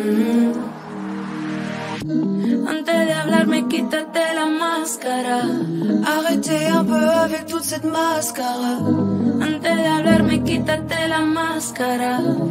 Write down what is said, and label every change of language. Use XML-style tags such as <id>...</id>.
<es>Antes de hablarme, quítate la máscara.</es> <fr>Arrêtez un peu avec toute cette máscara.</fr> <es>Antes de hablarme, quítate la máscara.</es>